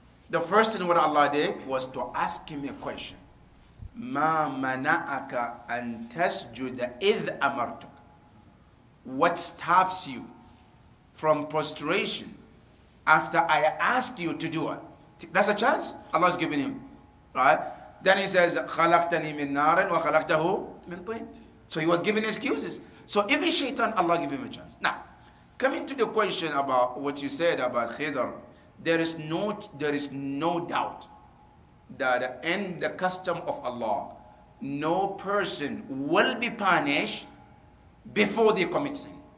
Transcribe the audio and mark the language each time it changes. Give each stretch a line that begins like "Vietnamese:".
English: The first thing what Allah did was to ask him a question.
Arabic: Ma mana'aka an tasjuda idh amartuk?
English: What stops you from prostration after I ask you to do it? That's a chance Allah has given him, right? Then he says,
Arabic: خَلَقْتَنِي مِن نَارٍ وَخَلَقْتَهُ مِن طِينٍ.
English: So he was given excuses. So even shaitan, Allah gave him a chance. Now, coming to the question about what you said about Khidr, there is no doubt that in the custom of Allah, no person will be punished before they commit sin.